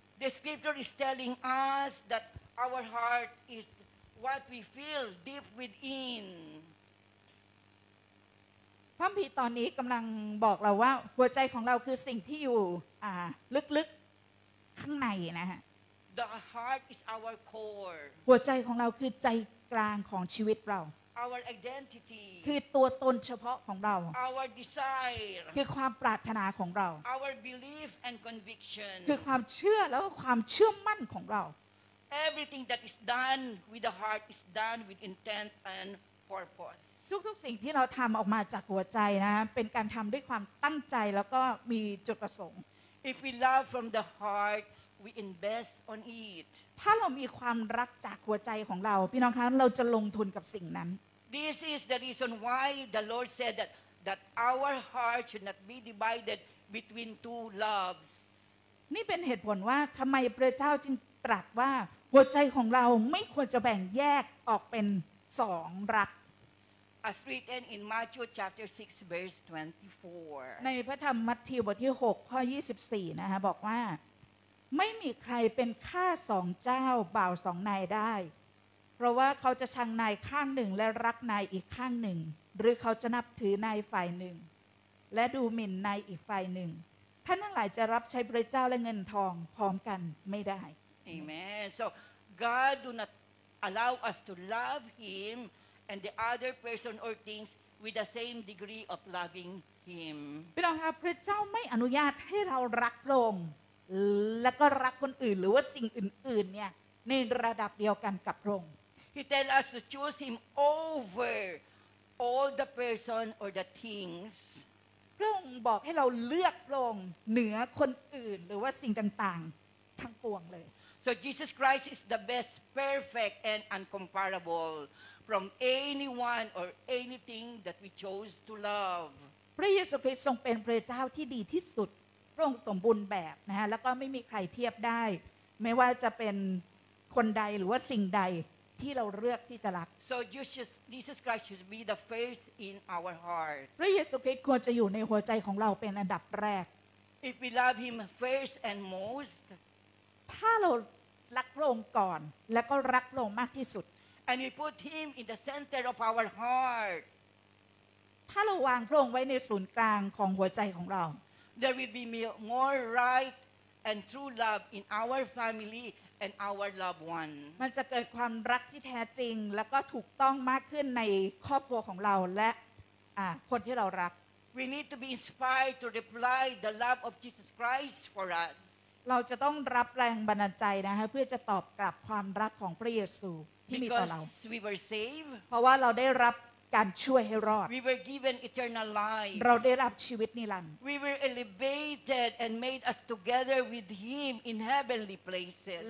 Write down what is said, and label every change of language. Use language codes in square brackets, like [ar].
[en] The scripture is telling us that our heart is what we feel deep within [th] พระคัมภีร์ตอนนี้กำลังบอกเราว่าหัวใจของเราคือสิ่งที่อยู่ลึกๆข้างในนะฮะ [en] The heart is our core [th] หัวใจของเราคือใจกลางของชีวิตเรา [en] Our identity [th] คือตัวตนเฉพาะของเรา [en] Our desire [th] คือความปรารถนาของเรา [en] Our belief and conviction [th] คือความเชื่อแล้วก็ความเชื่อมั่นของเรา [en] Everything that is done with the heart is done with intent and purpose [th] ทุกๆสิ่งที่เราทำออกมาจากหัวใจนะเป็นการทำด้วยความตั้งใจแล้วก็มีจุดประสงค์ [en] If we love from the heart we invest on it [th] ถ้าเรามีความรักจากหัวใจของเราพี่น้องคะเราจะลงทุนกับสิ่งนั้น [en] This is the reason why the Lord said that our heart should not be divided between two loves. [th] นี่เป็นเหตุผลว่าทำไมพระเจ้าจึงตรัสว่าหัวใจของเราไม่ควรจะแบ่งแยกออกเป็นสองรัก [en] As written in Matthew chapter 6 verse 24. [th] ในพระธรรมมัทธิวบทที่6ข้อ24นะฮะบอกว่าไม่มีใครเป็นข้าสองเจ้าบ่าวสองนายได้เพราะว่าเขาจะชังนายข้างหนึ่งและรักนายอีกข้างหนึ่งหรือเขาจะนับถือนายฝ่ายหนึ่งและดูหมิ่นนายอีกฝ่ายหนึ่งท่านทั้งหลายจะรับใช้พระเจ้าและเงินทองพร้อมกันไม่ได้ [en] Amen So God do not allow us to love Him and the other person or things with the same degree of loving him [th] พี่น้องคะพระเจ้าไม่อนุญาตให้เรารักพระองค์แล้วก็รักคนอื่นหรือว่าสิ่งอื่นๆเนี่ยในระดับเดียวกันกับพระองค์ [en] He tells us to choose him over all the person or the things [th] พระองค์บอกให้เราเลือกพระองค์เหนือคนอื่นหรือว่าสิ่งต่างๆทั้งปวงเลย [en] So Jesus Christ is the best, perfect, and uncomparable from anyone or anything that we chose to love. [th] พระเยซูคริสต์ทรงเป็นพระเจ้าที่ดีที่สุดพระองค์สมบูรณ์แบบนะฮะแล้วก็ไม่มีใครเทียบได้ไม่ว่าจะเป็นคนใดหรือว่าสิ่งใดที่เราเลือกที่จะรัก [en] So Jesus Christ should be the first in our heart. [th] พระเยซูคริสต์ควรจะอยู่ในหัวใจของเราเป็นอันดับแรก [en] If we love him first and most [th] ถ้าเรารักพระองค์ก่อนแล้วก็รักพระองค์มากที่สุด [en] And we put him in the center of our heart [th] ถ้าเราวางพระองค์ไว้ในศูนย์กลางของหัวใจของเรา [en] There will be more right and true love in our familyAnd our loved one. [th] มันจะเกิดความรักที่แท้จริงแล้วก็ถูกต้องมากขึ้นในครอบครัวของเราและคนที่เรารัก [en] We need to be inspired to reply the love of Jesus Christ for us. [th] เราจะต้องรับแรงบันดาลใจนะคะเพื่อจะตอบกลับความรักของพระเยซูที่มีต่อเรา [en] Because we were saved. [th] เพราะว่าเราได้รับการช่วยให้รอด [en] We were given eternal life. [th] เราได้รับชีวิตนิรันดร์ [en] We were elevated and made us together with him in heavenly places.